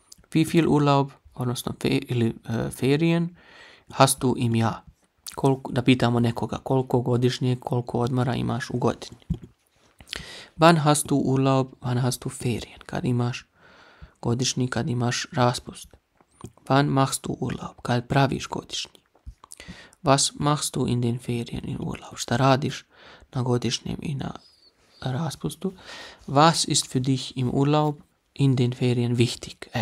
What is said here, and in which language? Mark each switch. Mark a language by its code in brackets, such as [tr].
[de] Wie viel Urlaub, odnosno Ferien, hast du im Jahr? [bs] Da pitamo nekoga, koliko godišnje, koliko odmora imaš u godini. [de] Wann hast du Urlaub, wann hast du Ferien? [bs] Kad imaš godišnji, kad imaš raspust. [de] Wann machst du Urlaub, [bs] kad praviš godišnji. [de] Was machst du in den Ferien in Urlaub? [bs] Šta radiš na godišnjem i na raspustu? [de] Was ist für dich im Urlaub in den Ferien wichtig?